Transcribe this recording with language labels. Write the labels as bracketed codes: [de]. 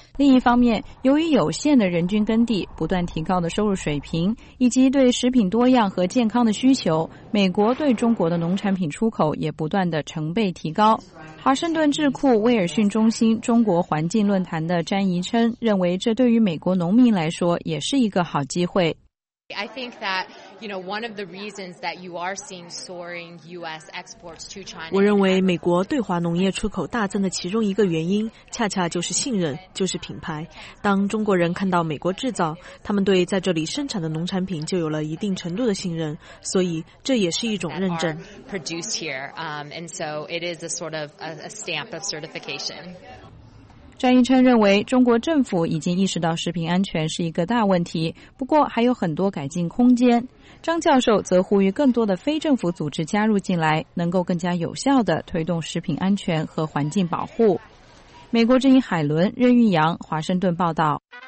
[zh] 另一方面，由于有限的人均耕地、不断提高的收入水平以及对食品多样和健康的需求，美国对中国的农产品出口也不断的成倍提高。华盛顿智库威尔逊中心中国环境论坛的詹怡琛认为，这对于美国农民来说也是一个好机会。 [en] I think that, you know, one of the reasons that you are seeing soaring U.S. exports to China. [zh] 我认为美国对华农业出口大增的其中一个原因，恰恰就是信任，就是品牌。当中国人看到美国制造，他们对在这里生产的农产品就有了一定程度的信任，所以这也是一种认证。 [en] Produced here, and so it is a sort of a stamp of certification. [zh] 詹怡琛认为，中国政府已经意识到食品安全是一个大问题，不过还有很多改进空间。张教授则呼吁更多的非政府组织加入进来，能够更加有效地推动食品安全和环境保护。美国之音海伦、任玉阳华盛顿报道。